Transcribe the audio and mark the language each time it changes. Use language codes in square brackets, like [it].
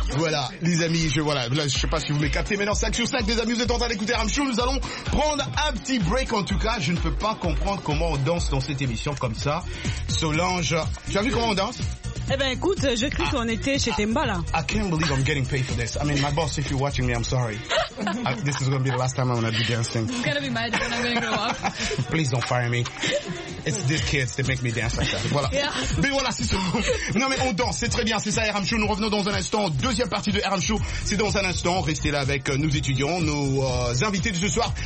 [fr] Voilà, les amis, je sais pas si vous m'avez capté, mais dans 5 sur 5, les amis, vous êtes en train d'écouter RM Show. Nous allons prendre un petit break. En tout cas, je ne peux pas comprendre comment on danse dans cette émission comme ça. Solange, tu as vu comment on danse? Eh ben écoute, je crois qu'on était chez Temba là. [en] I can't believe I'm getting paid for this. I mean, my boss, if you're watching me, I'm sorry. This is going to be the last time I'm going to be dancing. You're going to be mad when I'm going to grow up. Please don't fire me. It's these kids that make me dance like that. [fr] Voilà. [en] Yeah. [fr] Mais voilà, c'est tout. Non mais on danse, c'est très bien, c'est ça RM Show. Nous revenons dans un instant, deuxième partie de RM Show. C'est dans un instant, restez là avec nos étudiants, nos invités de ce soir.